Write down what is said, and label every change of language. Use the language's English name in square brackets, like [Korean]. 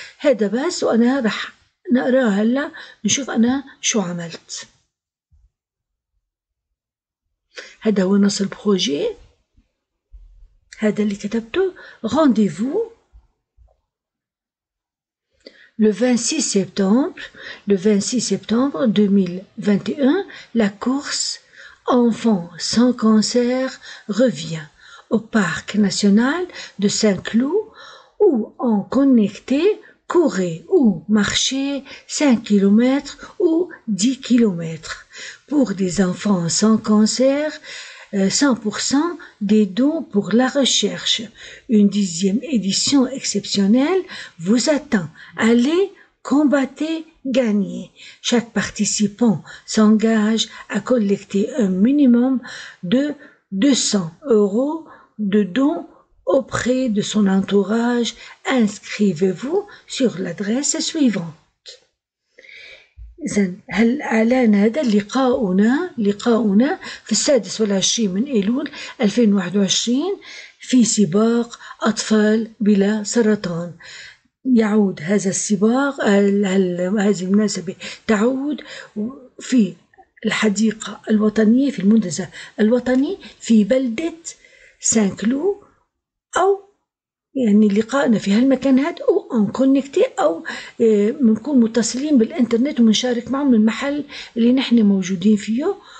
[Arabic] هذا بس، وأنا راح نقرأ هلا نشوف أنا شو عملت. هذا هو نص البروجي، هذا اللي كتبته. [French] رانديفو Le 26 septembre, le 26 septembre 2021, la course Enfants sans cancer revient au Parc national de Saint-Cloud, où en connecté, courez ou marchez 5 km ou 10 km. Pour des enfants sans cancer, 100% des dons pour la recherche. Une 10e édition exceptionnelle vous attend. Allez, combattez, gagnez. Chaque participant s'engage à collecter un minimum de 200 euros de dons auprès de son entourage. Inscrivez-vous sur l'adresse suivante. [Arabic] إذن هل أعلان هذا لقاؤنا في 26 من أيلول 2021 في سباق أطفال بلا سرطان. يعود هذا السباق، هذه المناسبة تعود في الحديقة الوطنية، في المنتزه الوطني في بلدة سانكلو، أو يعني لقائنا في هالمكان هاد، او ان كونكتي، او بنكون متصلين بالانترنت ومنشارك معهم من المحل اللي نحن موجودين فيه.